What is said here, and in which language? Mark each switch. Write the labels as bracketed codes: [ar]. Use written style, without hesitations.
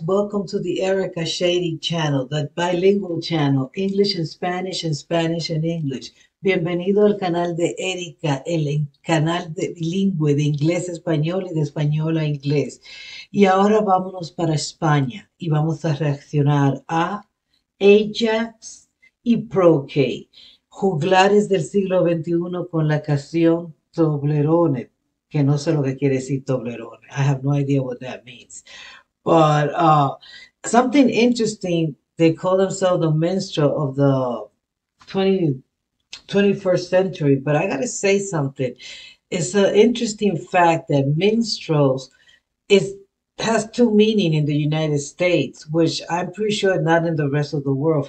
[en] Welcome to the Erica Shady channel, the bilingual channel, English and Spanish and English. [es] Bienvenido al canal de Erika, el canal de bilingüe de inglés español y de español a inglés. Y ahora vámonos para España y vamos a reaccionar a Ajax y Proke, juglares del siglo XXI con la canción Toblerone. Que no sé lo que quiere decir Toblerone. [en] I have no idea what that means. But something interesting, they call themselves the minstrel of the 21st century. But I gotta say something. It's an interesting fact that minstrels has two meaning in the United States, which I'm pretty sure not in the rest of the world.